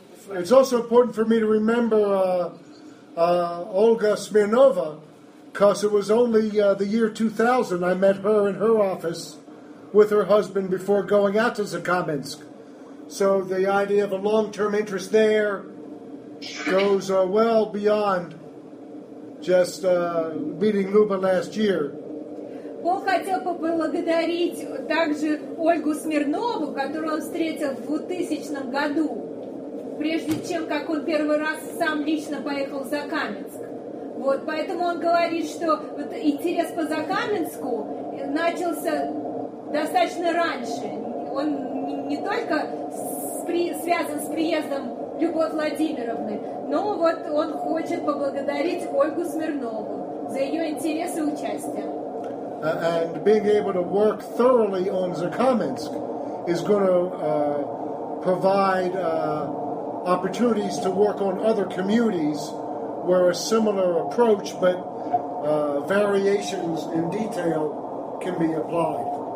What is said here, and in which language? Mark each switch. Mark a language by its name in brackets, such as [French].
[English] It's also important for me to remember Olga Smirnova, because it was only the year 2000 I met her in her office with her husband before going out to Zakhaminsk. So the idea of a long-term interest there goes well beyond just meeting Luba last year. [Russian] Он хотел поблагодарить также Ольгу Смирнову, которую он встретил в 2000 году, прежде чем как он первый раз сам лично поехал в Закаменск. Вот, поэтому он говорит, что вот интерес по Закаменску начался достаточно раньше. Он не только связан с приездом Любовь Владимировны, но вот он хочет поблагодарить Ольгу Смирнову за ее интерес и участие. [English] And being able to work thoroughly on Zakhaminsk is going to provide opportunities to work on other communities where a similar approach, but variations in detail, can be applied.